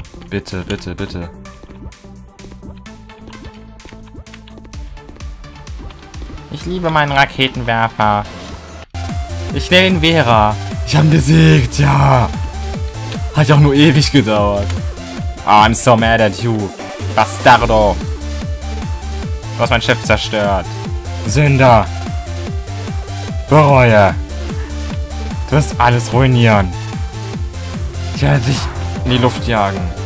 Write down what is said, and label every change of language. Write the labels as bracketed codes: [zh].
[de] Bitte, bitte, bitte. Ich liebe meinen Raketenwerfer. Ich nenne ihn Vera. Ich habe ihn besiegt, ja. Hat ja auch nur ewig gedauert. [en] I'm so mad at you, Bastardo. [de] Du hast mein Schiff zerstört. Sünder. Bereue. Du wirst alles ruinieren. Ich werde dich in die Luft jagen.